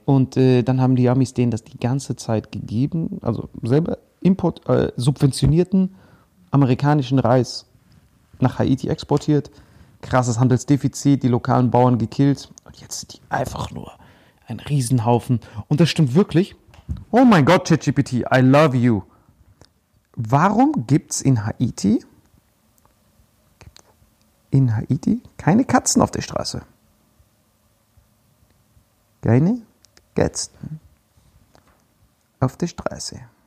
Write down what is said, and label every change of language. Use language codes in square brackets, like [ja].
[de] Und dann haben die Amis denen das die ganze Zeit gegeben, also selber subventionierten amerikanischen Reis nach Haiti exportiert. Krasses Handelsdefizit, die lokalen Bauern gekillt. Und jetzt sind die einfach nur ein Riesenhaufen. Und das stimmt wirklich. Oh mein Gott, ChatGPT, [en] I love you. [de] Warum gibt's in Haiti keine Katzen auf der Straße? Keine Katzen auf der Straße.